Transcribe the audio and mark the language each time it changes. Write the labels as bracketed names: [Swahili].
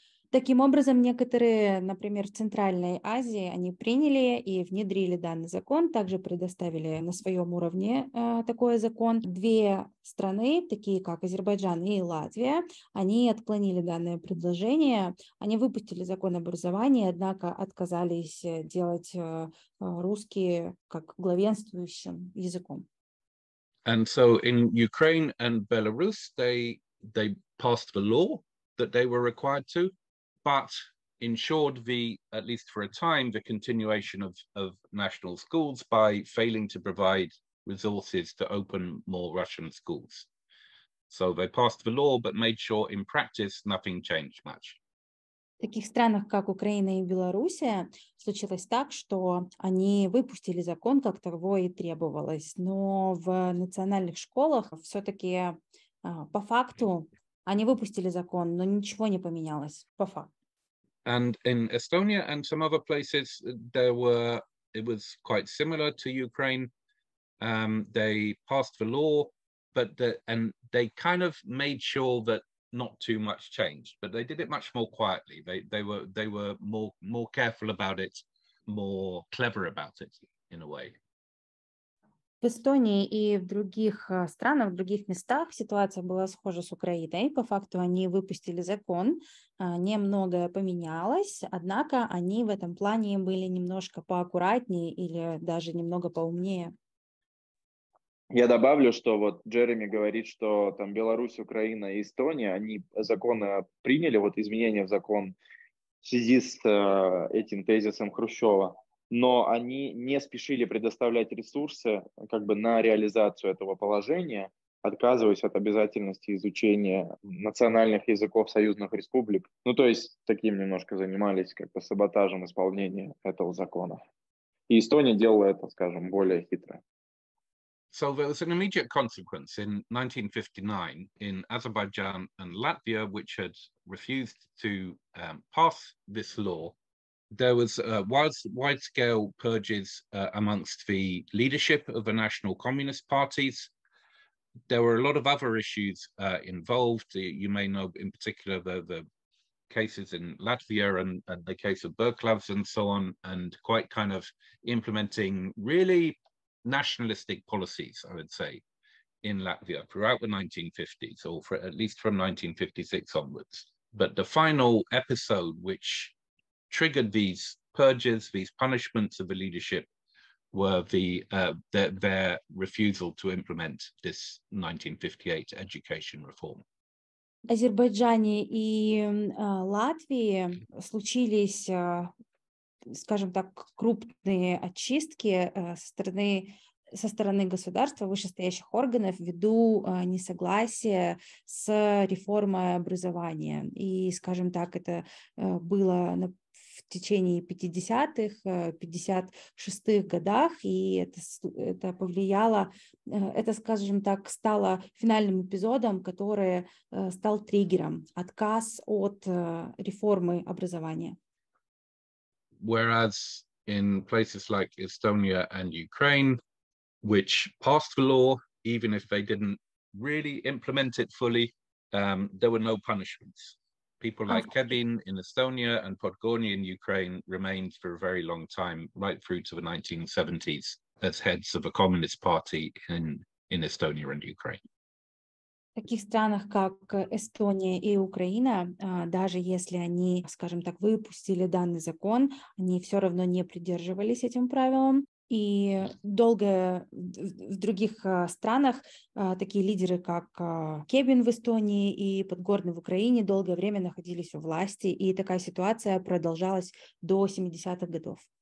[Russian] Таким образом, некоторые, например, в Центральной Азии, они приняли и внедрили данный закон, также предоставили на своем уровне такой закон. Две страны, такие как Азербайджан и Латвия, они отклонили данное предложение, они выпустили закон об образовании, однако отказались делать русский как главенствующим языком. [English] And so in Ukraine and Belarus, they passed the law that they were required to, but ensured the, at least for a time, the continuation of national schools by failing to provide resources to open more Russian schools. So they passed the law, but made sure in practice nothing changed much. В таких странах, как Украина и Белоруссия, случилось так, что они выпустили закон, как того и требовалось. Но в национальных школах все-таки по факту они выпустили закон, но ничего не поменялось по факту. And in Estonia and some other places, it was quite similar to Ukraine. They passed the law, and they kind of made sure that not too much changed, but they did it much more quietly. They were more careful about it, more clever about it in a way. [Russian] В Эстонии и в других странах, в других местах ситуация была схожа с Украиной. По факту они выпустили закон, немного поменялось, однако они в этом плане были немножко поаккуратнее или даже немного поумнее. Я добавлю, что вот Джереми говорит, что там Беларусь, Украина и Эстония, они законы приняли, вот изменения в закон в связи с этим тезисом Хрущева. Но они не спешили предоставлять ресурсы как бы на реализацию этого положения, отказываюсь от обязательности изучения национальных языков союзных республик. Ну, то есть, таким немножко занимались как бы саботажем исполнения этого закона. И Эстония делала это, скажем, более хитро. [English] So there was an immediate consequence in 1959 in Azerbaijan and Latvia, which had refused to pass this law. There was wide-scale purges amongst the leadership of the national communist parties. There were a lot of other issues involved. You may know in particular the cases in Latvia and the case of Berklavs and so on, and quite kind of implementing really nationalistic policies, I would say, in Latvia throughout the 1950s, or for at least from 1956 onwards. But the final episode which triggered these purges, these punishments of the leadership, were their refusal to implement this 1958 education reform. [Russian] В Азербайджане и Латвии случились, скажем так, крупные очистки со стороны государства, вышестоящих органов, ввиду несогласия с реформой образования. И, скажем так, это было в течение 50-х, 56-х годах, и это повлияло, это, скажем так, стало финальным эпизодом, который стал триггером, отказ от реформы образования. [English] Whereas in places like Estonia and Ukraine, which passed the law, even if they didn't really implement it fully, there were no punishments. People like Kevin in Estonia and Podgorny in Ukraine remained for a very long time, right through to the 1970s, as heads of a communist party in Estonia and Ukraine. [Russian] В таких странах, как Эстония и Украина, даже если они, скажем так, выпустили данный закон, они все равно не придерживались этим правилам. И долго в других странах такие лидеры, как Кебин в Эстонии и Подгорный в Украине, долгое время находились у власти, и такая ситуация продолжалась до 70-х годов.